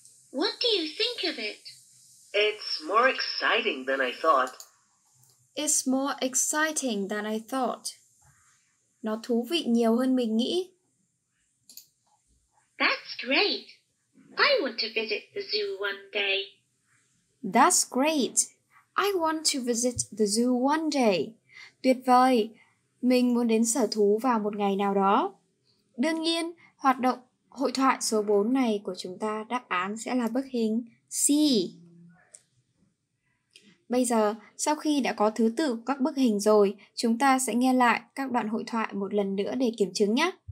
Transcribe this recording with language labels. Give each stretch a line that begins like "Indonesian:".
English: What do you think of it? It's more exciting than I thought. It's more exciting than I thought.
Vietnamese: Nó thú vị nhiều hơn mình nghĩ.
English: That's great. I want to visit the zoo one day. That's great. I want to visit the zoo one day.
Vietnamese: Tuyệt vời. Mình muốn đến sở thú vào một ngày nào đó. Đương nhiên, hoạt động hội thoại số 4 này của chúng ta đáp án sẽ là bức hình C. Bây giờ, sau khi đã có thứ tự các bức hình rồi, chúng ta sẽ nghe lại các đoạn hội thoại một lần nữa để kiểm chứng nhé.